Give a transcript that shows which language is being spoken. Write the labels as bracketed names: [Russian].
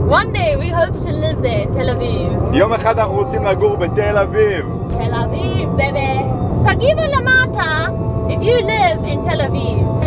[English] One day we hope to live there, תל אביב. [Hebrew] יום אחד אנחנו רוצים לגור בתל אביב. תל אביב, בבי. תגיבו למטה [English] if you live in תל אביב.